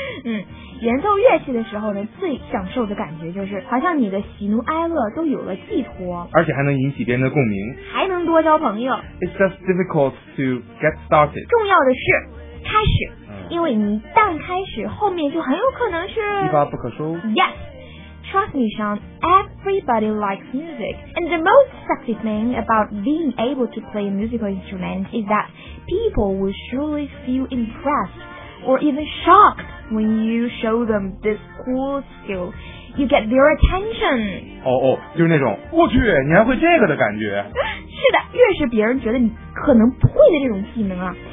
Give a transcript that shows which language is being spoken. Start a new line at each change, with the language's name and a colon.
Chinese: 嗯，演奏乐器的时候呢最享受的感觉就是好像你的喜怒哀乐都有了寄托，而且还能引起别人的共鸣，还能多交朋友。
English: It's just difficult to get started。
Chinese: 重要的是开始，因为你一旦开始，后面就很有可能是一发不可收。
English: Yes, trust me, Sean. Everybody likes music, and the most sexy thing about being able to play a musical instrument is that people will surely feel impressed or even shocked when you show them this cool skill. You get their attention.
Chinese: 哦哦，就是那种我去，你还会这个的感觉。是的，越是别人觉得你可能不会的这种技能啊。